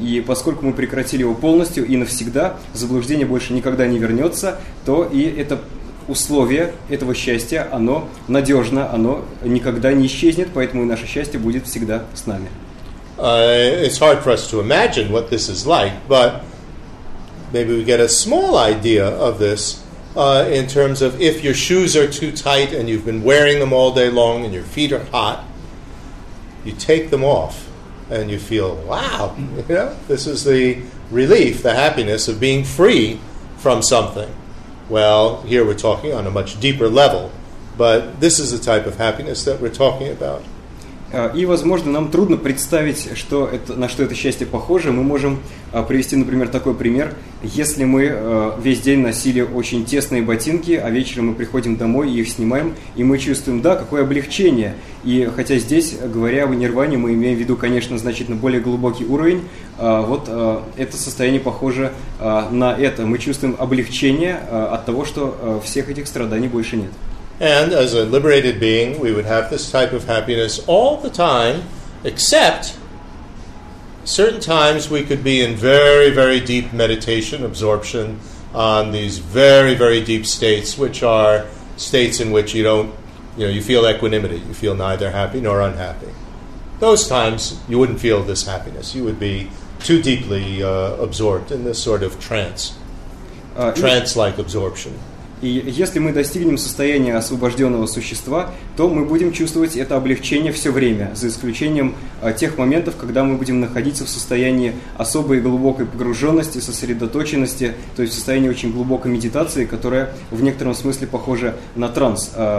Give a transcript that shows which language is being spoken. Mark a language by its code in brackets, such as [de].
[ru] И поскольку мы прекратили его полностью и навсегда, заблуждение больше никогда не вернется, то и это условие этого счастья, оно надежно, оно никогда не исчезнет, поэтому и наше счастье будет всегда с нами. [en] It's hard for us to imagine what this is like, but maybe we get a small idea of this in terms of if your shoes are too tight and you've been wearing them all day long and your feet are hot, you take them off, and you feel, wow, you know, this is the relief, the happiness of being free from something. Well, here we're talking on a much deeper level, but this is the type of happiness that we're talking about. [ru] И, возможно, нам трудно представить, что это, на что это счастье похоже. Мы можем привести, например, такой пример. Если мы весь день носили очень тесные ботинки, а вечером мы приходим домой и их снимаем, и мы чувствуем, да, какое облегчение. И хотя здесь, говоря о нирване, мы имеем в виду, конечно, значительно более глубокий уровень, это состояние похоже на это. Мы чувствуем облегчение от того, что всех этих страданий больше нет. [en] And as a liberated being, we would have this type of happiness all the time, except certain times we could be in very, very deep meditation, absorption on these very, very deep states, which are states in which you don't, you know, you feel equanimity, you feel neither happy nor unhappy. Those times you wouldn't feel this happiness. You would be too deeply absorbed in this sort of trance, trance-like absorption. [ru] И если мы достигнем состояния освобожденного существа, то мы будем чувствовать это облегчение все время, за исключением тех моментов, когда мы будем находиться в состоянии особой глубокой погруженности, сосредоточенности, то есть в состоянии очень глубокой медитации, которая в некотором смысле похожа на транс.